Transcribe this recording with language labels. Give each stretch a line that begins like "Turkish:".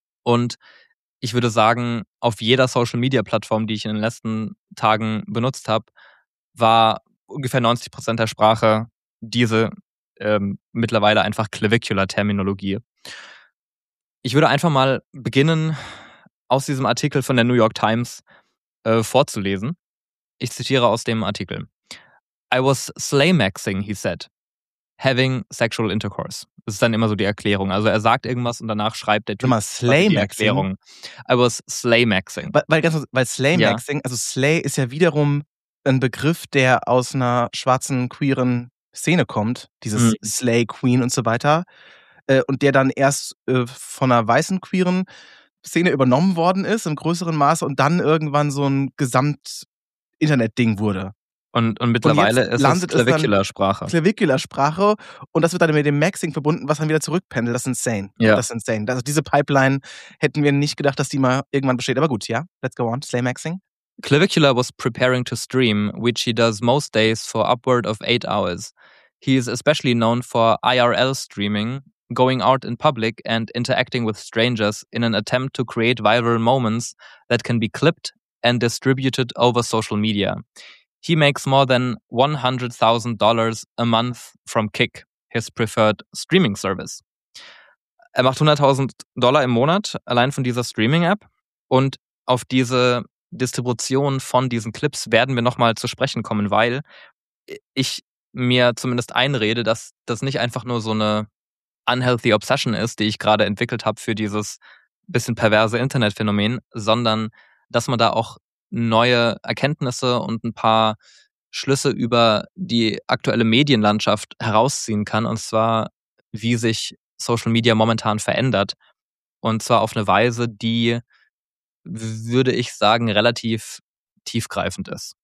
German: Und ich würde sagen, auf jeder Social-Media-Plattform, die ich in den letzten Tagen benutzt habe, war ungefähr 90% der Sprache diese mittlerweile einfach Clavicular-Terminologie. Ich würde einfach mal beginnen, aus diesem Artikel von der New York Times vorzulesen. Ich zitiere aus dem Artikel.
English: I was slaymaxing, he said, having sexual intercourse.
German: Das ist dann immer so die Erklärung. Also er sagt irgendwas und danach schreibt der Typ die Erklärung.
English: I was slaymaxing.
German: Weil slaymaxing, ja. Also slay ist ja wiederum ein Begriff, der aus einer schwarzen, queeren Szene kommt. Dieses Slay-Queen und so weiter. Und der dann erst von einer weißen, queeren Szene übernommen worden ist, im größeren Maße. Und dann irgendwann so ein Gesamt-Internet-Ding wurde. Und mittlerweile ist es Clavicular-Sprache. Clavicular-Sprache. Und das wird dann mit dem Maxing verbunden, was dann wieder zurückpendelt. Das ist insane. Ja. Das ist insane. Also diese Pipeline hätten wir nicht gedacht, dass die mal irgendwann besteht. Aber gut, ja.
English: Let's go on.
German: Slay-Maxing.
English: Clavicula was preparing to stream, which he does most days for upward of 8 hours. He is especially known for IRL streaming, going out in public and interacting with strangers in an attempt to create viral moments that can be clipped and distributed over social media. He makes more than $100,000 a month from Kick, his preferred streaming service.
German: Er macht $100,000 im Monat allein von dieser Streaming-App und auf diese Distribution von diesen Clips werden wir nochmal zu sprechen kommen, weil ich mir zumindest einrede, dass das nicht einfach nur so eine unhealthy Obsession ist, die ich gerade entwickelt habe für dieses bisschen perverse Internetphänomen, sondern dass man da auch neue Erkenntnisse und ein paar Schlüsse über die aktuelle Medienlandschaft herausziehen kann, und zwar wie sich Social Media momentan verändert, und zwar auf eine Weise, die, würde ich sagen, relativ tiefgreifend ist.